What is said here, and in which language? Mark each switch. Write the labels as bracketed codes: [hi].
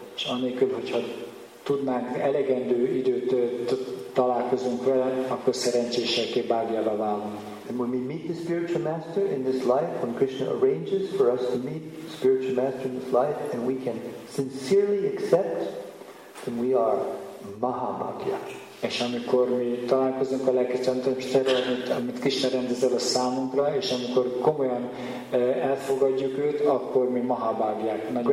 [hu] És anélkül, hogyha tudnánk elegendő időt találkozunk vele, akkor szerencsésekké bhagyává válunk. [en] And when we meet the spiritual master in this life, when Krishna arranges for us to meet the spiritual master in this life, and we can sincerely accept, then we are mahabhagya. [hu] És amikor mi találkozunk a lelki tanítómesterrel, amit Krishna rendezel a számunkra, és amikor komolyan elfogadjuk őt, akkor mi mahabhágyák.